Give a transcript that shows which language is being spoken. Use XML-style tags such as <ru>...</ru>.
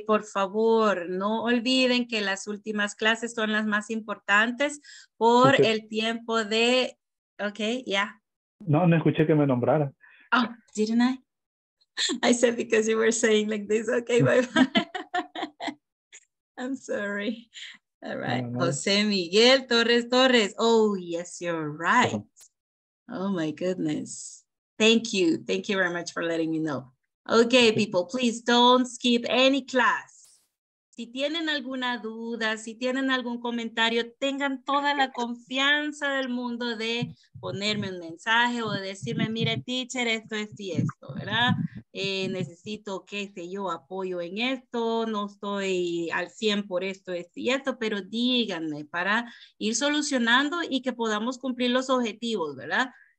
<es>Por favor, no olviden que las últimas clases son las más importantes por el tiempo de...</es> <en>Okay, yeah.</en> <es>No, no escuché que me nombrara.</es> <en>Oh, didn't I? I said because you were saying like this. Okay, bye-bye. I'm sorry. All right. No, no. Jose Miguel Torres Torres. Oh, yes, you're right. Oh, my goodness. Thank you. Thank you very much for letting me know. Okay, people, please don't skip any class.</en> <es>Si tienen alguna duda, si tienen algún comentario, tengan toda la confianza del mundo de ponerme un mensaje o decirme, mire, teacher, esto es y esto, ¿verdad? Necesito, qué sé yo, apoyo en esto, no estoy al 100 por esto, esto y esto, pero díganme para ir solucionando y que podamos cumplir los objetivos, ¿verdad?</es>